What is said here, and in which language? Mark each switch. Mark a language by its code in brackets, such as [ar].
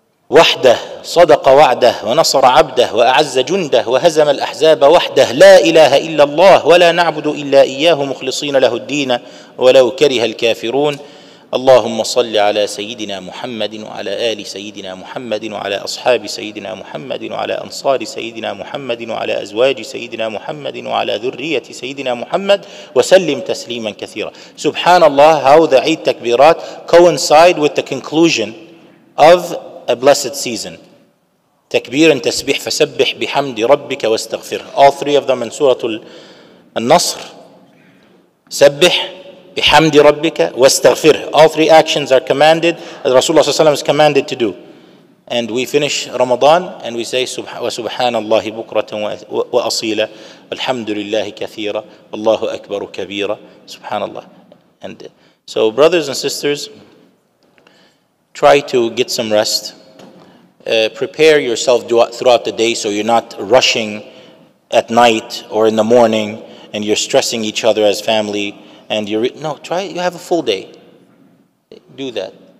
[ar] وحده صدق وعده ونصر عبده وأعز جنده وهزم الأحزاب وحده لا إله إلا الله ولا نعبد إلا إياه مخلصين له الدين ولو كره الكافرون اللهم صل على سيدنا محمد وعلى آل سيدنا محمد وعلى أصحاب سيدنا محمد وعلى أنصار سيدنا محمد وعلى أزواج سيدنا محمد وعلى ذرية سيدنا محمد وسلم تسليما كثيرا. [en] سبحان الله, how the Eid takbirat coincide with the conclusion of a blessed season. [ar] تكبير and تسبيح, فسبح بحمد ربك واستغفر. [en] All three of them in Surah Al-Nasr. [ar] سبح بحمد ربك واستغفر. [en] All three actions are commanded, Rasulullah صلى الله عليه وسلم is commanded to do. And we finish Ramadan and we say [ar] وسبحان الله بكرة وأصيلة والحمد لله كثيرة والله أكبر كبيرة سبحان الله. [en] And so brothers and sisters, try to get some rest. Prepare yourself throughout the day so you're not rushing at night or in the morning and you're stressing each other as family. And you have a full day. Do that.